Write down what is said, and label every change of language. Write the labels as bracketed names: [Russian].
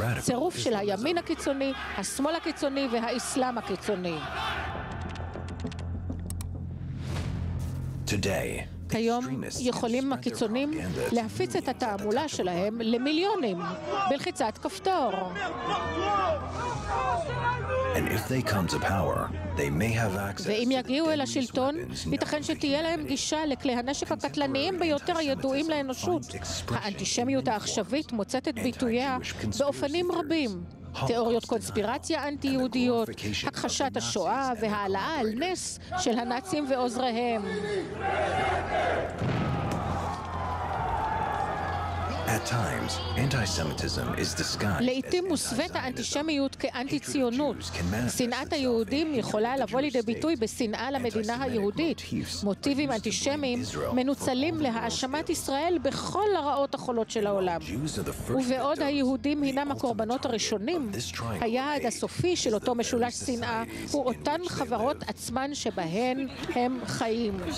[Hebrew] צירוף של הימין הקיצוני, השמאל הקיצוני והאסלאם הקיצוני. [English] Today, [Hebrew] כיום יכולים הקיצונים להפיץ את התעמולה שלהם למיליונים בלחיצת כפתור. [English] And if they come to power, they may have access. [Hebrew] ואם יגיעו אל השלטון, ייתכן שתהיה להם גישה לכלי הנשק הקטלניים ביותר הידועים לאנושות. האנטישמיות העכשווית מוצאת את ביטויה באופנים רבים. תיאוריות קונספירציה אנטי-יהודיות, הכחשת השואה והעלאה על נס של הנאצים ועוזריהם. [English] At times, anti-Semitism is disguised. [Hebrew] לעיתים מוסוות האנטישמיות כאנטי-ציונות. שנאת היהודים יכולה לבוא לידי ביטוי בשנאה למדינה היהודית. מוטיבים אנטישמיים מנוצלים להאשמת ישראל בכל הרעות החולות של העולם. ובעוד היהודים הינם הקורבנות הראשונים, היעד הסופי של אותו משולש שנאה הוא אותן חברות עצמן שבהן הם חיים.